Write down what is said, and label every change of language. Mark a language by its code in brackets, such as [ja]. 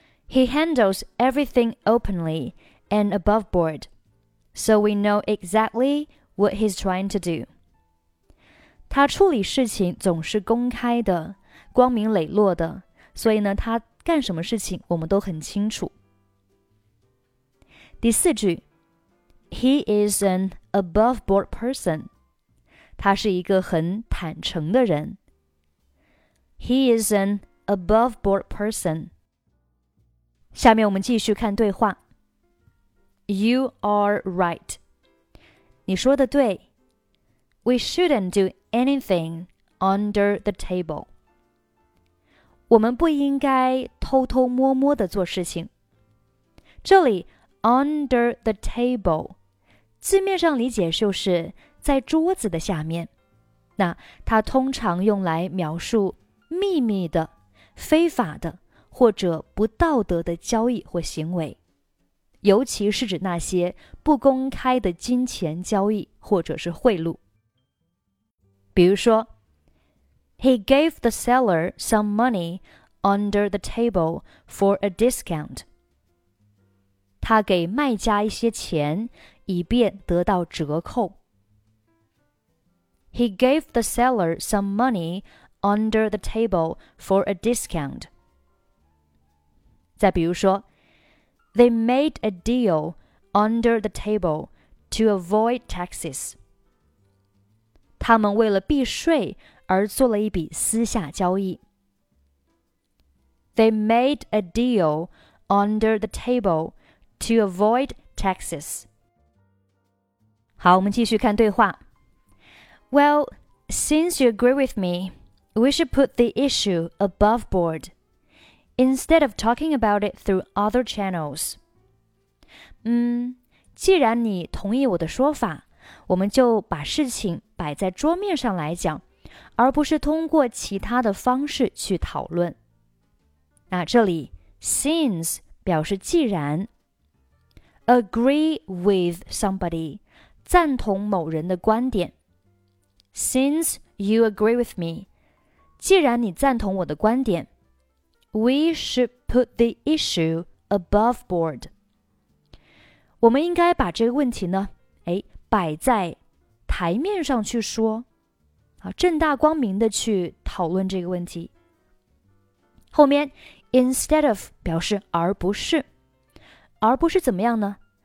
[en] He handles everything openly and above board, so we know exactly what he's trying to do. [zh] 他处理事情总是公开的、光明磊落的、所以呢，他干什么事情我们都很清楚。第四句， [en] He is an above board person. [zh] 他是一个很坦诚的人。 [en] He is an above board person. [zh] 下面我们继续看对话。 [en] You are right. [zh] 你说的对。 [en] We shouldn't do anything under the table. [zh] 我们不应该偷偷摸摸地做事情。这里 under the table, 字面上理解就是在桌子的下面。那它通常用来描述秘密的、非法的或者不道德的交易或行为，尤其是指那些不公开的金钱交易或者是贿赂。比如说 [en] He gave the seller some money under the table for a discount. [zh] 他给卖家一些钱以便得到折扣。 [en] He gave the seller some money under the table for a discount. [zh] 再比如说 [en] They made a deal under the table to avoid taxes. [zh] 他们为了避税而做了一笔私下交易。 [en] They made a deal under the table to avoid taxes. [zh] 好，我们继续看对话。 [en] Well, since you agree with me, we should put the issue above board, instead of talking about it through other channels. [zh] 既然你同意我的说法，我们就把事情摆在桌面上来讲，而不是通过其他的方式去讨论。那这里 since 表示既然， agree with somebody 赞同某人的观点。 [en] Since you agree with me, [zh] 既然你赞同我的观点， [en] We should put the issue above board. [zh] 我们应该把这个问题呢摆在台面上去说，正大光明的去讨论这个问题。后面 instead of 表示而不是，而不是怎么样呢？